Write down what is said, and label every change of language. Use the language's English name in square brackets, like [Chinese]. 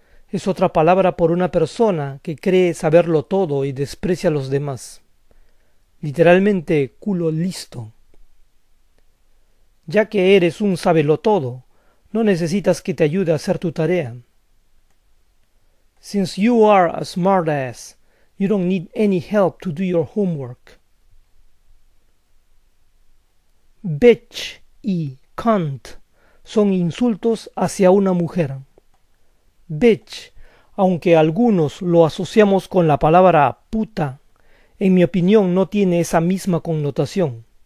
[Spanish] Es otra palabra por una persona que cree saberlo todo y desprecia a los demás. literalmente culo listo. Ya que eres un sabelotodo, no necesitas que te ayude a hacer tu tarea. [English] Since you are a smartass, you don't need any help to do your homework. [Spanish] Bitch y cunt son insultos hacia una mujer. Bitch, aunque algunos lo asociamos con la palabra puta, en mi opinión no tiene esa misma connotación.